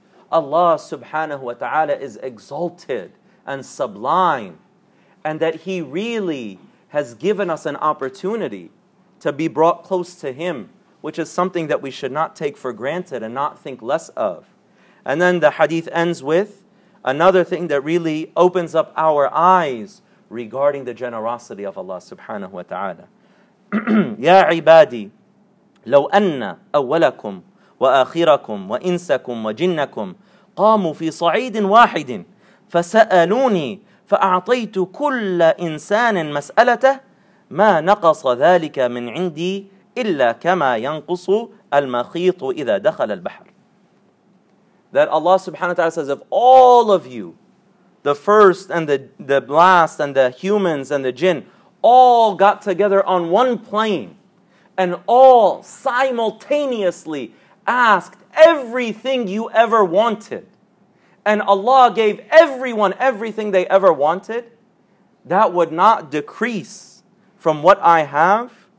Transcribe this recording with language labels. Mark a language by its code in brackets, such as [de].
[en] Allah subhanahu wa ta'ala is exalted and sublime, and that He really has given us an opportunity to be brought close to Him, which is something that we should not take for granted and not think less of. And then the hadith ends with another thing that really opens up our eyes regarding the generosity of Allah subhanahu wa ta'ala. [ar] Ya ibadi, لو أن أولكم وآخركم وإنسكم وجنكم قاموا في صعيد واحد فسألوني فأعطيت كل إنسان مسألته ما نقص ذلك من عندي إلا كما ينقص المخيط إذا دخل البحر. [en] That Allah subhanahu wa ta'ala says, if all of you, the first and the last and the humans and the jinn, all got together on one plane and all simultaneously asked everything you ever wanted, and Allah gave everyone everything they ever wanted, that would not decrease from what I have.